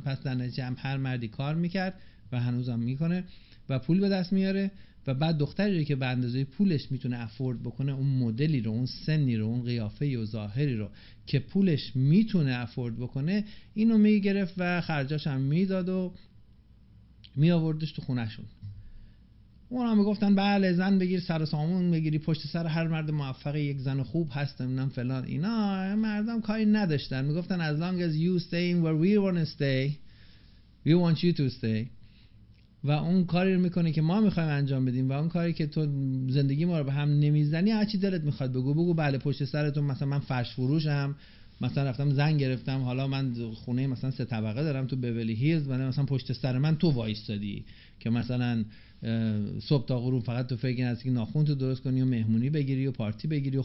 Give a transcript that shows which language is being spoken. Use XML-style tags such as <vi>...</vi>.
<fa>پس در نتیجه هم هر مردی کار میکرد و هنوزم میکنه و پول به دست میاره و بعد دختری رو که به اندازه پولش میتونه افورد بکنه، اون مدلی رو، اون سنی رو، اون قیافه و ظاهری رو که پولش میتونه افورد بکنه، اینو میگرفت و خرجاش هم میداد و میآوردش تو خونهشون. اونا میگفتن بله زن بگیر، سر سامون بگیری، پشت سر هر مرد موفق یک زن خوب هست، نمیدونم فلان اینا. مردم کاری نداشتن، میگفتن</fa> <en>as long as you stay where we want to stay we want you to stay.</en> <fa>و اون کاری رو میکنه که ما میخوایم انجام بدیم و اون کاری که تو زندگی ما رو به هم نمیزنی، هر چی دلت میخواد بگو بگو، بله پشت سرتون مثلا من فرش فروشم، مثلا رفتم زن گرفتم، حالا من خونه مثلا سه طبقه دارم تو بیولی هیلز، من مثلا پشت سر من تو وایستادی که مثلا صبح تا غروب فقط تو فکر هستی که ناخون تو درست کنی و مهمونی بگیری و پارتی بگیری.</fa>